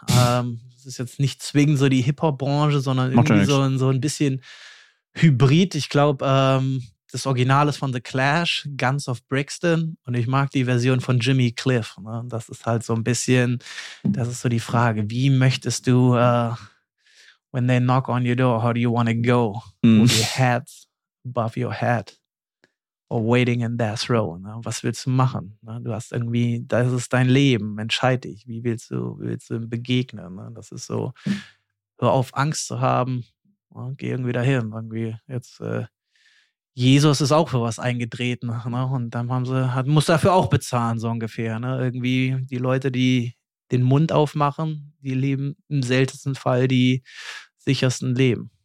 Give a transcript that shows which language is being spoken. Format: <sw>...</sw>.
<de>Das ist jetzt nicht zwingend so die Hip-Hop-Branche, sondern irgendwie so ein bisschen Hybrid, ich glaube, das Original ist von The Clash, Guns of Brixton und ich mag die Version von Jimmy Cliff. Ne? Das ist halt so ein bisschen, das ist so die Frage, wie möchtest du,</de> <en>when they knock on your door, how do you want to go? With your hats above your head or waiting in death row?</en> <de>Ne? Was willst du machen? Ne? Du hast irgendwie, das ist dein Leben, entscheide dich, wie willst du ihm begegnen? Ne? Das ist so, hör auf Angst zu haben, geh irgendwie dahin. Irgendwie jetzt Jesus ist auch für was eingetreten. Ne? Und dann muss dafür auch bezahlen, so ungefähr. Ne? Irgendwie die Leute, die den Mund aufmachen, die leben im seltensten Fall die sichersten Leben.</de>